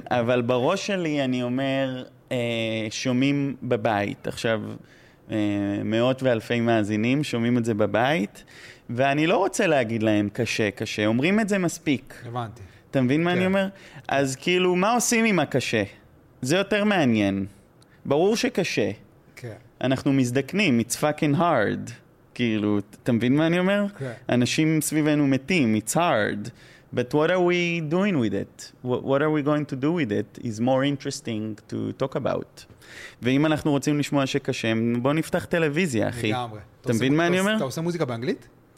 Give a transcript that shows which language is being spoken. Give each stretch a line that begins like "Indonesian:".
Hebrew: אבל בראש שלי אני אומר, שומעים בבית. עכשיו, מאות ואלפי מאזינים שומעים את זה בבית, ואני לא רוצה להגיד להם קשה, קשה. אומרים את זה מספיק. הבנתי. אתה אתה מבין מה כן. אני אומר? אז כאילו, מה עושים עם הקשה? זה יותר מעניין. ברור שקשה. כן. אנחנו מזדקנים,
English: it's fucking hard.
Hebrew: כאילו, אתה מבין מה אני אומר? כן. אנשים סביבנו מתים,
English: it's hard. But what are we doing with it? What are we going to do with it is more interesting to talk about.
Hebrew: ואם אנחנו רוצים לשמוע שקשה, בוא נפתח טלוויזיה, אחי. לגמרי. אתה מבין מה אני אומר? אתה עושה מוזיקה באנגלית?